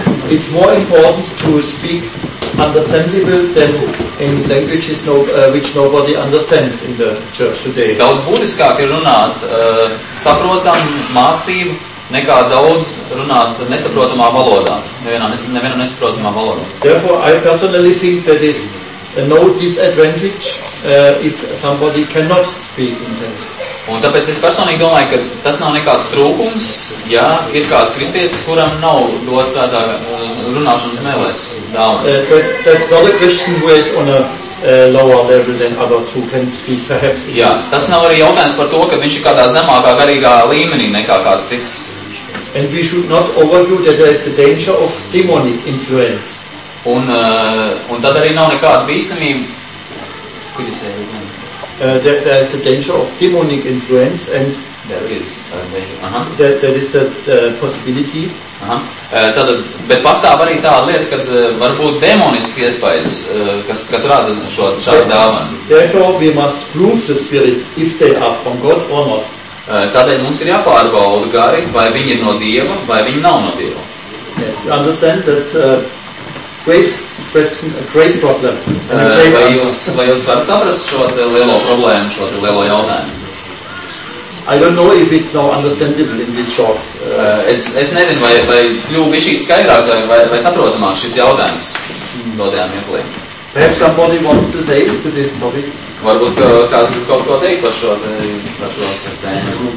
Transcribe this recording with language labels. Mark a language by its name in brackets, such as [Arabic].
[English] It's more important to speak understandable than in languages which nobody understands in the church today. [Latvian] Daudz būtiskāk ir runāt saprotam mācību, nekā daudz runāt nesaprotamā valodā, nevienā nesaprotamā valodā. [English] Therefore, I personally think that is no disadvantage if somebody cannot speak in tongues. [Latvian] Un tāpēc es personīgi domāju, ka tas nav nekāds trūkums, ja ir kāds kristietis, kuram nav dots tādā runāšanas mēlēs dāvana. [English] That's not a question who is on a lower level than others who can speak perhaps. [Latvian] Jā, tas nav arī jautājums par to, ka viņš ir kādā zemākā garīgā līmenī nekā kāds cits. [English] And we should not overview that there is the danger of demonic influence. [Latvian] Un tad arī nav nekāda bīstamība. [English] Could you say it again? There is the danger of demonic influence and there is that is that possibility. [Latvian] Tātad, bet pastāv arī tā lieta, kad varbūt demoniski iespējas, kas rāda šo šādu dāvanu. [English] Therefore we must prove the spirits if they are from God or not. [Latvian] Tādēļ mums ir jāpārbauda gari, vai viņi ir no Dieva, vai viņi nav no Dieva. [English] Yes, you understand that's great questions, a great problem. [Latvian] Vai jūs varat saprast šo lielo problēmu, šo lielo jautājumu? [English] I don't know if it's now understandable in this short. [Latvian] Es nezinu, vai kļuvu višķīt skaidrāks, vai saprotamāk šis jautājums. Nodējām ieklī. [English] Perhaps somebody wants to say to this topic. [Latvian] Varbūt kāds ir kaut ko teikt par šo tēmu.